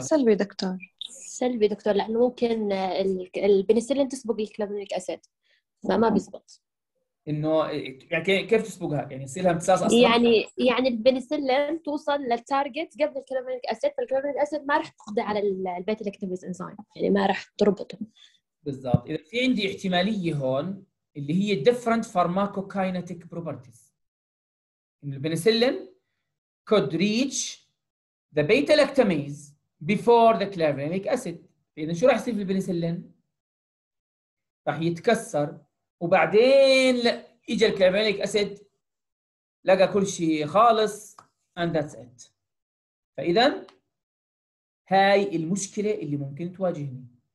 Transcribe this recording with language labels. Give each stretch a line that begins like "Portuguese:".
Arabic: سلبي دكتور، سلبي دكتور، لانه ممكن البنسلين تسبق الكلافيولينيك اسيد فما بيزبط. انه يعني كيف تسبقها؟ يعني يصير لها امتصاص اصلا، يعني البنسلين توصل للتارجت قبل الكلافيولينيك اسيد، فالكلافيولينيك اسيد ما راح تقضي على البيتا لاكتاميز انزيم، يعني ما راح تربطه. بالضبط. اذا في عندي احتماليه هون اللي هي
English: different pharmacokinetic properties،
Arabic: إن البنسلين
English: could reach the beta lactamase before the clavulanic acid.
Arabic: إذا شو راح يصير في البنسلين؟ راح يتكسر، وبعدين إجا الكلافيولينيك أسيد لقى كل شيء خالص
English: and that's it.
Arabic: فإذا هاي المشكلة اللي ممكن تواجهني.